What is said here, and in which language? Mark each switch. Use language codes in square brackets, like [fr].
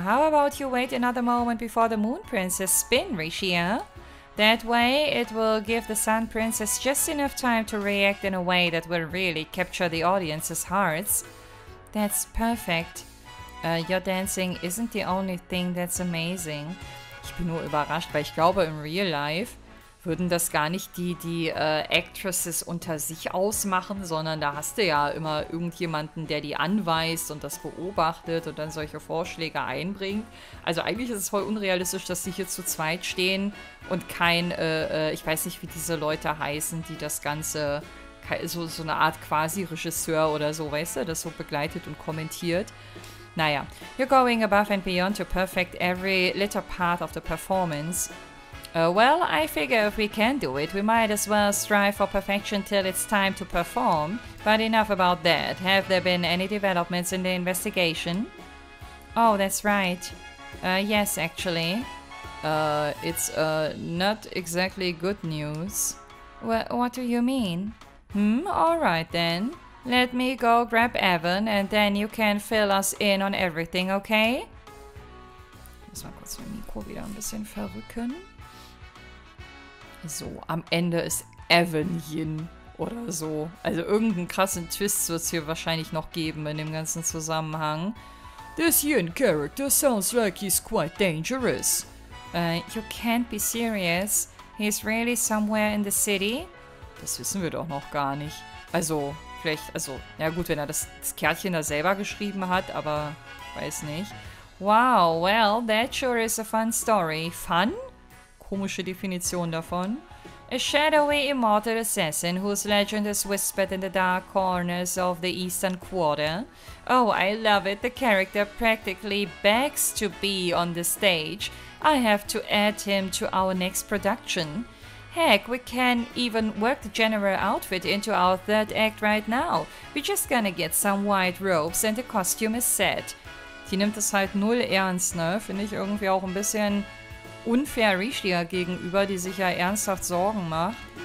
[en] How about you wait another moment before the Moon Princess spin, Rishia? That way, it will give the Sun Princess just enough time to react in a way that will really capture the audience's hearts. That's perfect. Your dancing isn't the only thing that's amazing. [de] Ich bin nur überrascht, weil ich glaube, im Real Life würden das gar nicht die Actresses unter sich ausmachen, sondern da hast du ja immer irgendjemanden, der die anweist und das beobachtet und dann solche Vorschläge einbringt. Also eigentlich ist es voll unrealistisch, dass sie hier zu zweit stehen und ich weiß nicht, wie diese Leute heißen, die das Ganze, so eine Art quasi Regisseur oder so, weißt du, das so begleitet und kommentiert. [en] Naja, you're going above and beyond to perfect every little part of the performance. Well, I figure if we can do it, we might as well strive for perfection till it's time to perform. But enough about that. Have there been any developments in the investigation? Oh, that's right. Yes, actually. It's not exactly good news. What do you mean? Alright then. Let me go grab Evan and then you can fill us in on everything, okay? [de] Muss mal kurz mein Mikro wieder ein bisschen verrücken. So, am Ende ist Evan Yin oder so. Also irgendeinen krassen Twist wird es hier wahrscheinlich noch geben in dem ganzen Zusammenhang. [en] This Yin character sounds like he's quite dangerous. You can't be serious. He's really somewhere in the city? [de] Das wissen wir doch noch gar nicht. Also, vielleicht, also, ja gut, wenn er das Kärtchen da selber geschrieben hat, aber weiß nicht. [en] Wow, well, that sure is a fun story. [de] Fun? Komische Definition davon. [en] A shadowy immortal assassin whose legend is whispered in the dark corners of the Eastern Quarter. Oh, I love it. The character practically begs to be on the stage. I have to add him to our next production. Heck, we can even work the general outfit into our third act right now. We're just gonna get some white robes and the costume is set. [de] Die nimmt es halt null ernst, ne? Finde ich irgendwie auch ein bisschen unfair Rishia gegenüber, die sich ja ernsthaft Sorgen macht.